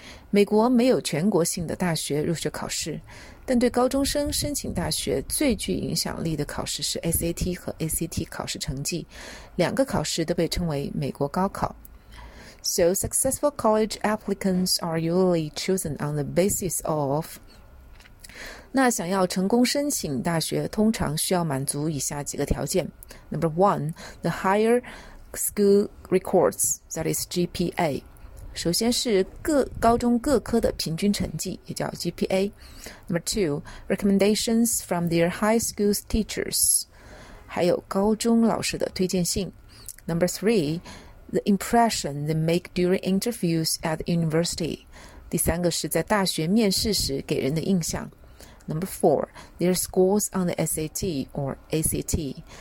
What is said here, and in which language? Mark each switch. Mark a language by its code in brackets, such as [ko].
[zh] 美国没有全国性的大学入学考试，但对高中生申请大学最具影响力的考试是 SAT 和 ACT 考试成绩，两个考试都被称为美国高考。 [en] So successful college applicants are usually chosen on the basis of... [zh] 那想要成功申请大学，通常需要满足以下几个条件。 [en] Number one, the higher school records, that is GPA. [zh] 首先是高中各科的平均成绩，也叫 GPA. [en] Number two, recommendations from their high school's teachers. [zh] 还有高中老师的推荐信。 [en] Number three, the impression they make during interviews at the university. [zh] 第三个是在大学面试时给人的印象。 [en] Number four, their scores on the SAT or ACT.